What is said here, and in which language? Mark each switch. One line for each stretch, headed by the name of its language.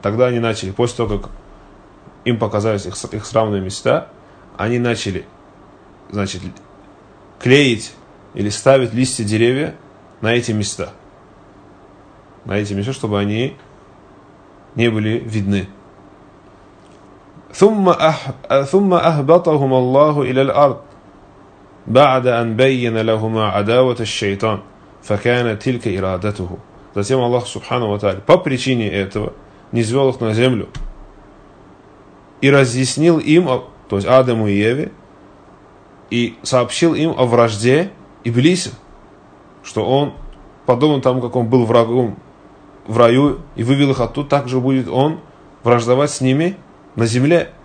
Russian: Тогда они начали, после того, как им показались их срамные места, они начали, значит, клеить или ставить листья деревья на эти места. На эти места, чтобы они не были видны.
Arabic: ثُمَّ أَحْبَطَهُمَ اللَّهُ إِلَى الْأَرْضِ بعد أن بين لهما عداوة الشيطان فكانت تلك إرادته.
Russian: Затем Аллах Субхану ва Тааля по причине этого низвел их на землю и разъяснил им, то есть Адаму и Еве, и сообщил им о вражде Иблиса, что он подобно тому, как он был врагом в раю и вывел их оттуда, так же будет он враждовать с ними на земле.